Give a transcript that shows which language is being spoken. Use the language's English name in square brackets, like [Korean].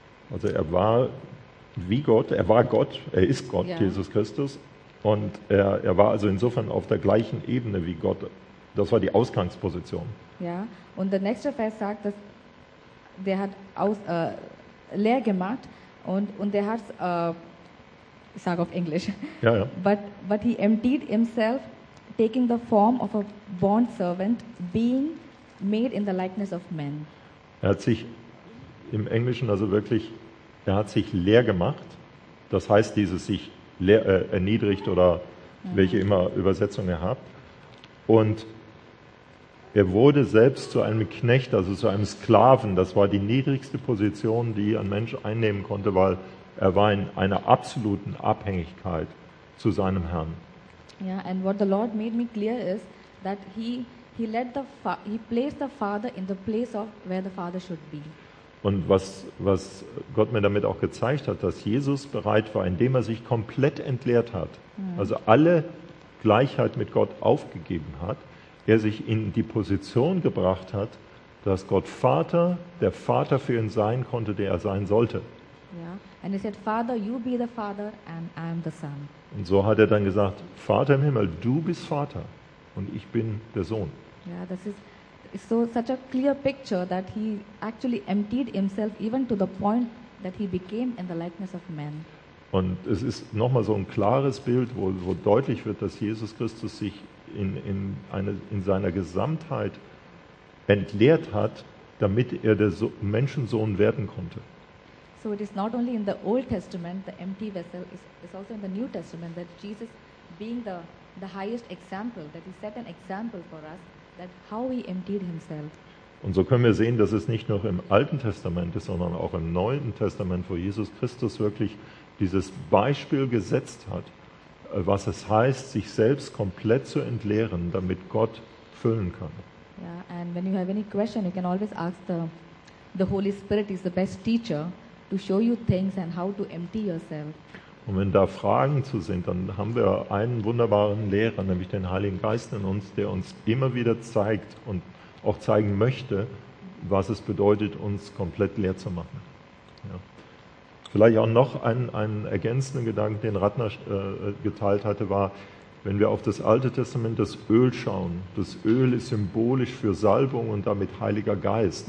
[German] Also er war wie Gott, er war Gott, er ist Gott, ja. Jesus Christus. Und er war also insofern auf der gleichen Ebene wie Gott. Das war die Ausgangsposition. Ja, und der nächste Vers sagt, dass der hat aus, leer gemacht und der hat, ich sage auf Englisch, ja, ja. [English] But he emptied himself, taking the form of a bond servant, being made in the likeness of men. [German] Er hat sich im Englischen also wirklich, er hat sich leer gemacht. Das heißt, dieses sich erniedrigt oder welche immer Übersetzung ihr habt. Und er wurde selbst zu einem Knecht, also zu einem Sklaven. Das war die niedrigste Position, die ein Mensch einnehmen konnte, weil er war in einer absoluten Abhängigkeit zu seinem Herrn. [English] Ja, yeah, and what the Lord made me clear is that he placed the Father in the place of where the Father should be. [German] Und was Gott mir damit auch gezeigt hat, dass Jesus bereit war, indem er sich komplett entleert hat, also alle Gleichheit mit Gott aufgegeben hat, er sich in die Position gebracht hat, dass Gott Vater, der Vater für ihn sein konnte, der er sein sollte. [English] Ja, and he said, Father, you be the Father and I am the Son. [German] Und so hat er dann gesagt, Vater im Himmel, du bist Vater und ich bin der Sohn. Ja, das ist so [English] such a clear picture that he actually emptied himself even to the point that he became in the likeness of man. [German] Und es ist nochmal so ein klares Bild, wo deutlich wird, dass Jesus Christus sich in seiner Gesamtheit entleert hat, damit er der Menschensohn werden konnte. [English] So it is not only in the Old Testament the empty vessel is also in the New Testament that Jesus being the highest example that he set an example for us. That how he emptied himself. [German] Und so können wir sehen, dass es nicht nur im Alten Testament ist, sondern auch im Neuen Testament, wo Jesus Christus wirklich dieses Beispiel gesetzt hat, was es heißt, sich selbst komplett zu entleeren, damit Gott füllen kann. [English] Ja, yeah, and when you have any question, you can always ask the Holy Spirit is the best teacher to show you things and how to empty yourself. [German] Und wenn da Fragen zu sind, dann haben wir einen wunderbaren Lehrer, nämlich den Heiligen Geist in uns, der uns immer wieder zeigt und auch zeigen möchte, was es bedeutet, uns komplett leer zu machen. Ja. Vielleicht auch noch einen ergänzenden Gedanken, den Ratner geteilt hatte, war, wenn wir auf das Alte Testament das Öl schauen, das Öl ist symbolisch für Salbung und damit Heiliger Geist.